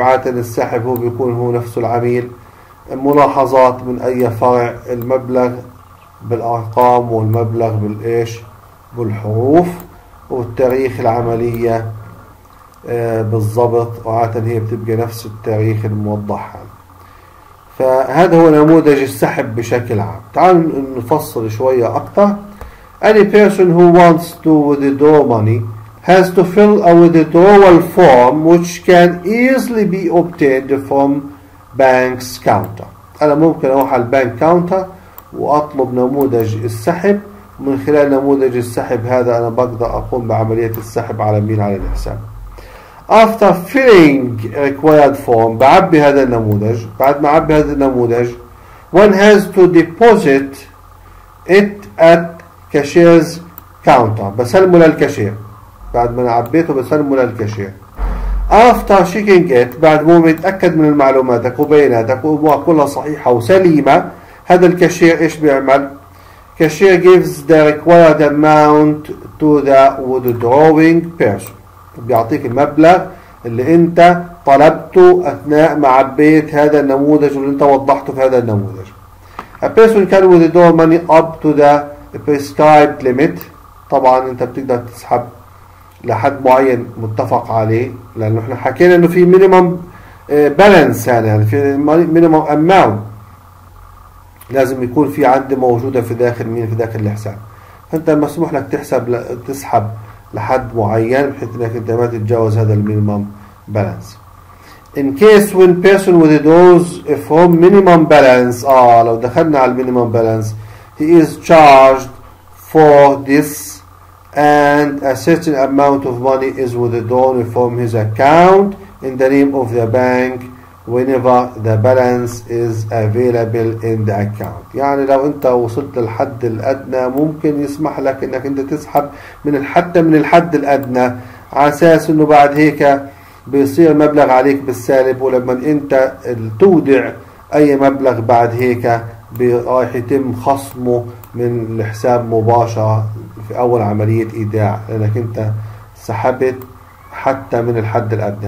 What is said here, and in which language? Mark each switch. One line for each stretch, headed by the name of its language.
Arabic: عادة الساحب هو بيكون هو نفسه العميل. ملاحظات من أي فرع، المبلغ بالأرقام والمبلغ بالإيش بالحروف، والتاريخ العملية بالضبط، وعادة هي بتبقى نفس التاريخ الموضح. فهذا هو نموذج السحب بشكل عام. تعال نفصل شوية أكثر.
English: Any person who wants to withdraw money has to fill a withdrawal form which can easily be obtained from bank's counter.
Arabic: أنا ممكن أروح على البنك كاونتر وأطلب نموذج السحب، من خلال نموذج السحب هذا أنا بقدر أقوم بعملية السحب على مين؟ على الحساب.
English: After filling required form،
Arabic: بعبي هذا النموذج. بعد ما أعبي هذا النموذج،
English: one has to deposit it at cashier's counter،
Arabic: بسلمه للكاشير. بعد ما عبيته بسلمه للكاشير.
English: After checking it،
Arabic: بعد ما متأكد من معلوماتك وبياناتك وأمورك كلها صحيحة وسليمة، هذا الكاشير إيش بيعمل؟ كاشير
English: gives the required amount to the withdrawing person،
Arabic: بيعطيك المبلغ اللي أنت طلبته أثناء ما عبيت هذا النموذج واللي أنت وضحته في هذا النموذج.
English: A person can withdraw money up to the prescribed limit،
Arabic: طبعا أنت بتقدر تسحب لحد معين متفق عليه، لأنه إحنا حكينا إنه في مينيمم بالانس، يعني في مينيمم أماونت لازم يكون في عندي موجودة في داخل مين، في داخل الحساب. فأنت مسموح لك تحسب تسحب لحد معين بحيث إنك أنت ما تتجاوز هذا المينيمم بالانس.
English: In case when person withdraws from minimum balance،
Arabic: لو دخلنا على المينيمم بالانس،
English: he is charged for this and a certain amount of money is withdrawn from his account in the name of the bank whenever the balance is available in the account.
Arabic: يعني لو انت وصلت للحد الادنى ممكن يسمح لك انك انت تسحب من حتى من الحد الادنى، على اساس انه بعد هيك بيصير مبلغ عليك بالسالب، ولما انت تودع اي مبلغ بعد هيك رايح يتم خصمه من الحساب مباشرة في أول عملية إيداع، لأنك أنت سحبت حتى من الحد الأدنى.